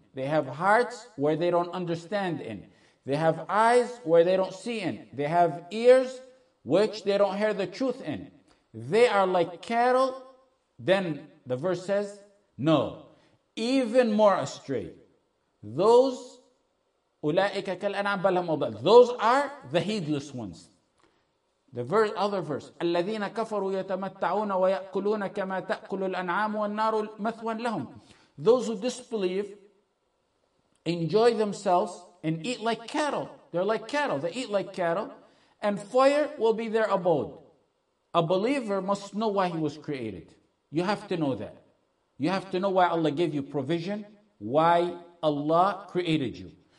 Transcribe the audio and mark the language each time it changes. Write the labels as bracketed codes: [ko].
[en] They have hearts where they don't understand in. They have eyes where they don't see in. They have ears which they don't hear the truth in. They are like cattle. Then the verse says, no, even more astray. [ar] Those, أُولَٰئِكَ كَالْأَنْعَامِ بَلْ هُمْ أَضَلُّ. [en] Those are the heedless ones. The verse, other verse, [ar] الَّذِينَ كَفَرُوا يَتَمَتَّعُونَ وَيَأْكُلُونَ كَمَا تَأْكُلُ الْأَنْعَامُ وَالنَّارُ مَثْوًا لَهُمْ. [en] Those who disbelieve, enjoy themselves and eat like cattle. They're like cattle. They eat like cattle. And fire will be their abode. A believer must know why he was created. You have to know that. You have to know why Allah gave you provision, why Allah created you.